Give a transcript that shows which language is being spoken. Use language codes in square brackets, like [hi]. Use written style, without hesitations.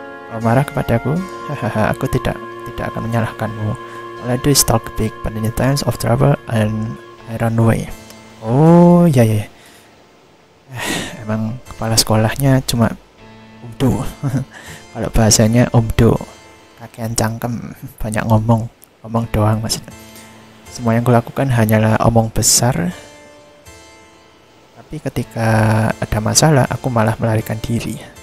[id] Kalau marah kepadaku, aku tidak akan menyalahkanmu. [en] All I do is talk big, but in the times of trouble and I run away. [id] Oh, ya. Emang kepala sekolahnya cuma umdo. Kalau bahasanya umdo, [jv] kakean cangkem, [id] banyak ngomong, ngomong doang maksudnya. Semua yang kulakukan hanyalah omong besar. Tapi ketika ada masalah, aku malah melarikan diri.